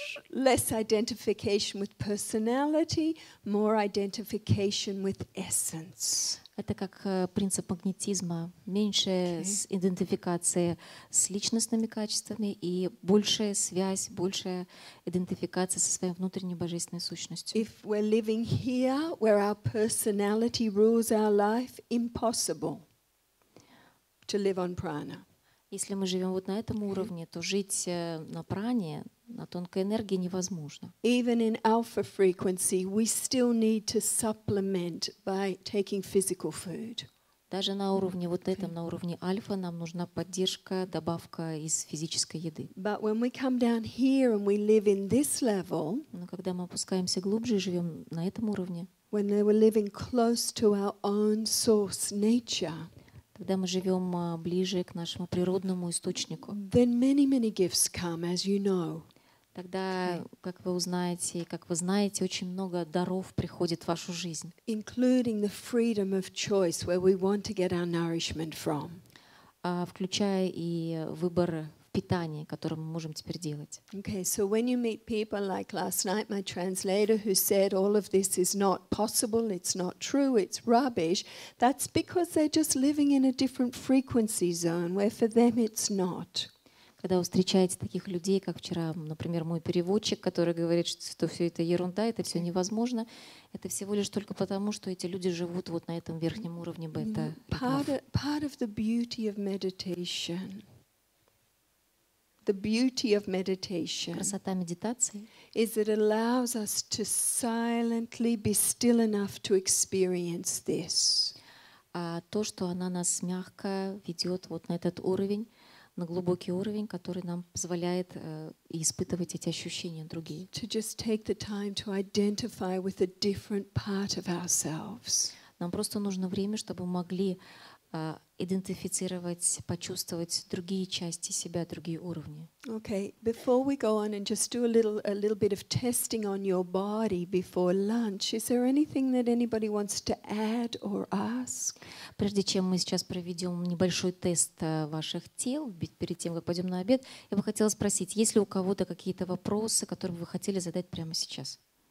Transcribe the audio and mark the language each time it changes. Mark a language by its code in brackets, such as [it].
[en] less identification with personality, more identification with essence. [ru] Это как принцип магнетизма, меньше с идентификации с личностными качествами и большая связь, большая идентификация со своей внутренней божественной сущностью. [en] If we're living here where our personality rules our life, impossible to live on prana. [ru] Если мы живем вот на этом уровне, то жить на пране, на тонкой энергии невозможно. [en] Even in alpha frequency, we still need to supplement by taking physical food. [ru] Даже на уровне вот этом, на уровне альфа, нам нужна поддержка, добавка из физической еды. [en] But when we come down here and we live in this level, [ru] но когда мы опускаемся глубже и живем на этом уровне, [en] when we're living close to our own source nature, [ru] когда мы живем ближе к нашему природному источнику, [en] then many, many gifts come, as you know. [ru] Тогда, как вы узнаете, как вы знаете, очень много даров приходит в вашу жизнь. [en] Including the freedom of choice, where we want to get our nourishment from. [ru] Включая и выборы в питании, которые мы можем теперь делать. [en] Okay, so when you meet people like last night, my translator, who said all of this is not possible, it's not true, it's rubbish, that's because they're just living in a different frequency zone, where for them it's not. [ru] Когда вы встречаете таких людей, как вчера, например, мой переводчик, который говорит, что все это ерунда, это все невозможно, это всего лишь только потому, что эти люди живут вот на этом верхнем уровне бета. [en] Part of the beauty of meditation. The beauty of meditation. [ru] Красота медитации. [en] Is it allows us to silently be still enough to experience this. [ru] А то, что она нас мягко ведет вот на этот уровень, на глубокий уровень, который нам позволяет испытывать эти ощущения другие. [en] To just take the time to identify with a different part of ourselves. [ru] Нам просто нужно время, чтобы мы могли идентифицировать, почувствовать другие части себя, другие уровни. [en] Okay, before we go on and just do a little bit of testing on your body before lunch, is there anything that anybody wants to add or ask? [ru] Прежде чем мы сейчас проведем небольшой тест ваших тел, перед тем, как пойдем на обед, я бы хотела спросить, есть ли у кого-то какие-то вопросы, которые бы вы хотели задать прямо сейчас?